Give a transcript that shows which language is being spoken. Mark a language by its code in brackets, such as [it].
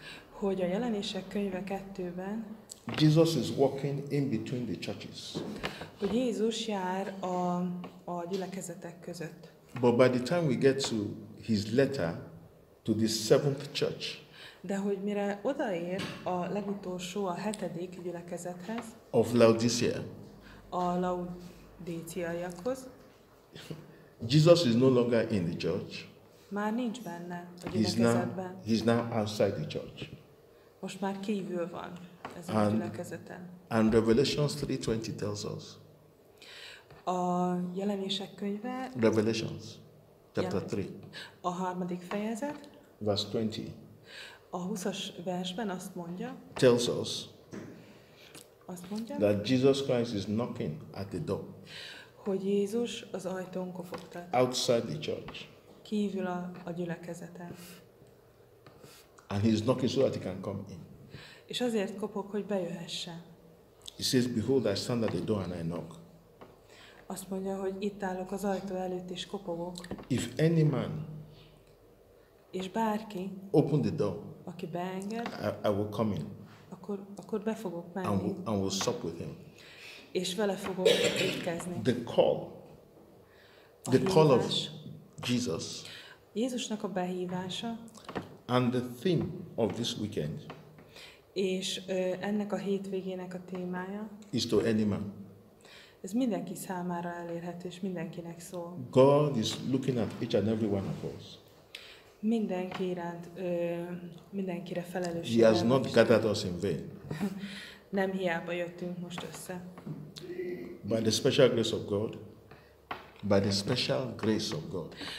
[hu] Hogy a jelenések könyve 2-ben. [en] Jesus is walking in between the churches. [hu] Hogy Jézus jár a gyülekezetek között. [en] But by the time we get to his letter to the seventh church. [hu] De hogy mire odaér a legutolsó, a hetedik gyülekezethez. [en] Of Laodicea. [hu] A Laodiceaiakhoz. [en] Jesus is no longer in the church. [hu] Már nincs benne a gyülekezetben. [en] He's now outside the church. [hu] Most már kívül van ez a gyülekezeten. [en] And Revelation 3:20 tells us. [hu] A jelenések könyve. [en] Revelations chapter 3. [hu] A harmadik fejezet. [en] Verse 20. [hu] A 20-as versben azt mondja. [en] Tells us. [hu] Azt mondja. [en] That Jesus Christ is knocking at the door. [hu] Hogy Jézus az ajtón kopogtat. [en] Outside the church. [hu] Kívül a gyülekezeten. [en] And he's knocking so that he can come in. [hu] És azért kopog, hogy bejöhessen. [en] He says, behold, I stand at the door and I knock. [hu] Azt mondja, hogy itt állok az ajtó előtt és kopogok. [en] If any man. [hu] És bárki. [en] Open the door. [hu] Aki beenged. [en] I will come in. [hu] Akkor be fogok menni. [en] And will sup with him. [hu] És vele fogok étkezni. [en] The call. The call of Jesus. [hu] Jézusnak a behívása. [en] And the theme of this weekend. [hu] És ennek a hétvégének a témája. [en] Is to any man. [hu] Ez mindenki számára elérhető és mindenkinek szól. [en] God is looking at each and every one of us. [hu] Mindenki iránt, mindenkire felelősség. [en] He has not gathered us in vain. [hu] Nem hiába jöttünk most össze. [en] By the special grace of God. By the special grace of God.